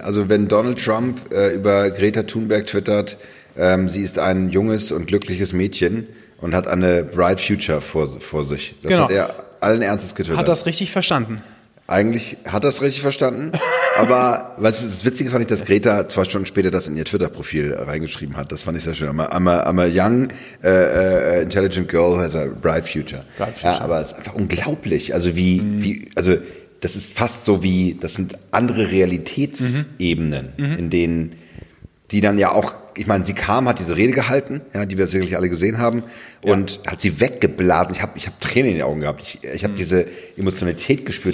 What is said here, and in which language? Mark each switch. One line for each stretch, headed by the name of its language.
German: Also wenn Donald Trump über Greta Thunberg twittert, sie ist ein junges und glückliches Mädchen und hat eine
English: bright future
German: vor sich. Das genau. Hat er allen Ernstes getwittert. Hat das richtig verstanden? Eigentlich hat das richtig verstanden, aber weißt du, das Witzige fand ich, dass Greta 2 Stunden später das in ihr Twitter-Profil reingeschrieben hat. Das fand ich sehr schön.
English: I'm a young, intelligent girl who has a bright future.
German: Ja, aber es ist einfach unglaublich. Also also das ist fast so wie, das sind andere Realitätsebenen, in denen die dann ja auch, ich meine, sie kam, hat diese Rede gehalten, ja, die wir sicherlich alle gesehen haben, und hat sie weggeblasen. Ich hab Tränen in den Augen gehabt. Ich habe diese Emotionalität gespürt.